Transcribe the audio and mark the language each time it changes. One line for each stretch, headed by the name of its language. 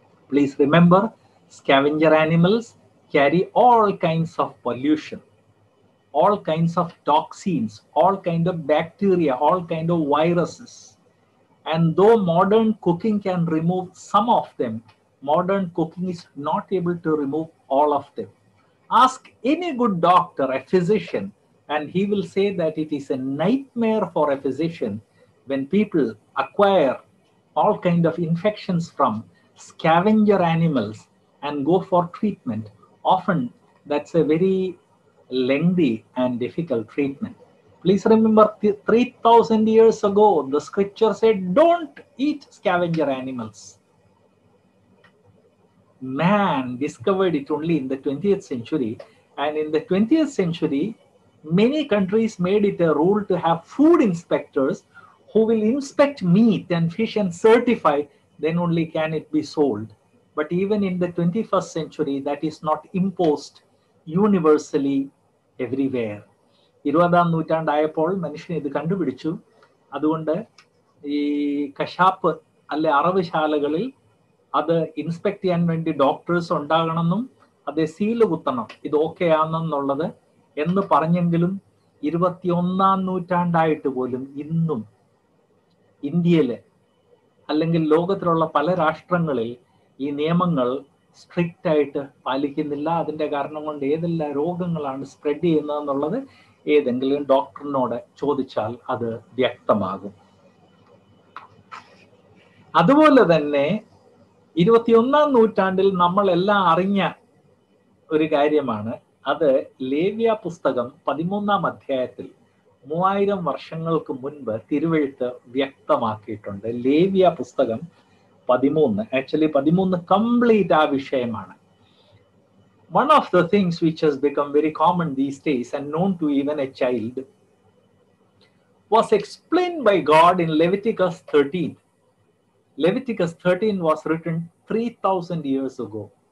English: Please remember, scavenger animals carry all kinds of pollution, all kinds of toxins, all kind of bacteria, all kind of viruses. And though modern cooking can remove some of them, modern cooking is not able to remove all of them. Ask any good doctor, a physician, And he will say that it is a nightmare for a physician when people acquire all kind of infections from scavenger animals and go for treatment. Often that's a very lengthy and difficult treatment. Please remember, 3,000 years ago, the scripture said, don't eat scavenger animals. Man discovered it only in the 20th century. And in the 20th century, many countries made it a rule to have food inspectors who will inspect meat and fish and certify, then only can it be sold. But even in the 21st century, that is not imposed universally everywhere.
Malayalam: 20th നൂറ്റാണ്ടായപ്പോൾ മനുഷ്യൻ ഇത് കണ്ടുപിടിച്ചു. അതുകൊണ്ട് ഈ കശാപ്പ് അല്ലെ അറവ് ശാലകളിൽ അത് inspect ചെയ്യാൻ വേണ്ടി ഡോക്ടേഴ്സ് ഉണ്ടാകണമെന്നും അത് സീല് കുത്തണം ഇത് ഓക്കെ ആണെന്നുള്ളത് എന്ന് പറഞ്ഞെങ്കിലും 21st നൂറ്റാണ്ടായിട്ട് പോലും ഇന്നും ഇന്ത്യയിൽ അല്ലെങ്കിൽ ലോകത്തിലുള്ള പല രാഷ്ട്രങ്ങളിൽ ഈ നിയമങ്ങൾ
English: strict
Malayalam: ആയിട്ട് പാലിക്കുന്നില്ല. അതിൻ്റെ കാരണം കൊണ്ട് ഏതെല്ലാം രോഗങ്ങളാണ് സ്പ്രെഡ് ചെയ്യുന്നതെന്നുള്ളത് ഏതെങ്കിലും ഡോക്ടറിനോട് ചോദിച്ചാൽ അത് വ്യക്തമാകും. അതുപോലെ തന്നെ 21st നൂറ്റാണ്ടിൽ നമ്മളെല്ലാം അറിഞ്ഞ ഒരു കാര്യമാണ്, അത് ലേവ്യ പുസ്തകം 13th അധ്യായത്തിൽ 3000 വർഷങ്ങൾക്ക് മുൻപ് തിരുവെഴുത്ത് വ്യക്തമാക്കിയിട്ടുണ്ട്. ലേവ്യ പുസ്തകം 13, ആക്ച്വലി 13 കംപ്ലീറ്റ് ആ വിഷയമാണ്.
English: One of the things which has become very common these days and known to even a child was explained by God in Leviticus 13. Leviticus 13 was written 3,000 years ago.